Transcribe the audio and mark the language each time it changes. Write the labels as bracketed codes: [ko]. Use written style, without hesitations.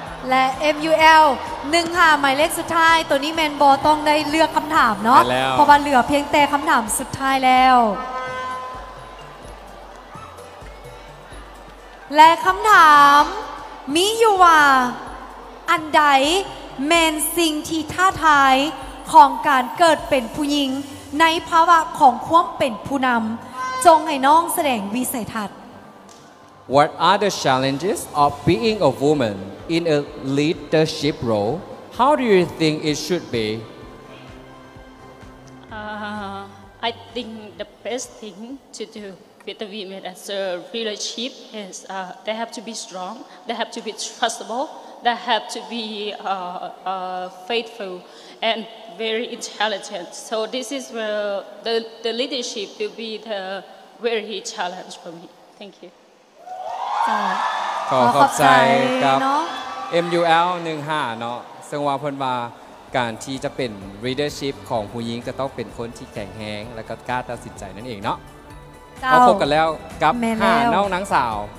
[tts] และ MUL 15หมายเลขสุดท้ายตัวนี้แมนบอต้องได้เลือกคำถามเนาะเพราะว่าเหลือเพียงแต่คำถามสุดท้ายแล้วและคำถามมีอยู่ว่าอันใดแมนสิ่งที่ท้าทายของการเกิดเป็นผู้หญิงในภาวะของความเป็นผู้นำจงให้น้องแสดงวิสัยทัศน์ [en] What are the challenges of being a woman in a leadership role? How do you think it should be? I think the best thing to do with the women as a leadership is they have to be strong, they have to be trustable, they have to be faithful and very intelligent. So this is where the leadership will be the very challenge for me. Thank you. [tts] ขอขอบใจครับ MUL 15เนาะซึ่งว่าเพิ่นว่าการที่จะเป็น leadership ของผู้หญิงก็ต้องเป็นคนที่แข็งแรงและก็กล้าตัดสินใจนั่นเองเนาะ เ ราพบกันแล้วกับ5น้องนางสาว